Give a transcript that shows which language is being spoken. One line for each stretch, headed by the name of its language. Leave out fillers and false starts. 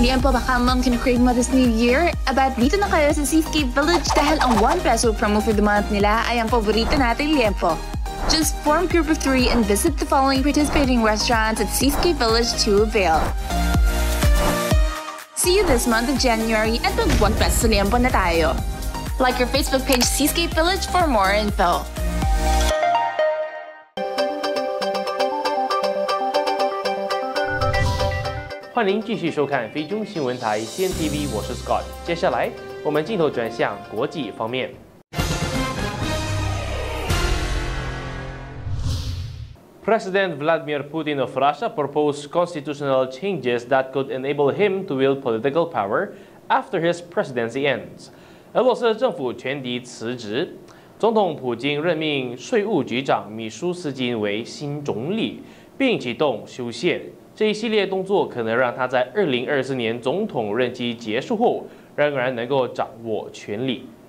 Filipino: Baka ang mga kinukrave mo
English: this new year?
Filipino: Abad dito na kayo sa Seascape Village dahil ang 1 peso promo for the month nila ay ang favorito nating liyempo.
English: Just form group of 3 and visit the following participating restaurants at Seascape Village to avail. See you this month of January
Filipino: at mag 1 peso liyempo na tayo.
English: Like your Facebook page Seascape Village for more info.
Chinese: 欢迎继续收看菲中新闻台 CNTV， 我是 Scott。接下来我们镜头转向国际方面。
English: President Vladimir Putin of Russia proposed constitutional changes that could enable him to wield political power after his presidency ends。
Chinese: 俄罗斯政府全体辞职，总统普京任命税务局长米舒斯金为新总理，并启动修宪。这一系列动作可能让他在2024年总统任期结束后仍然能够掌握权力。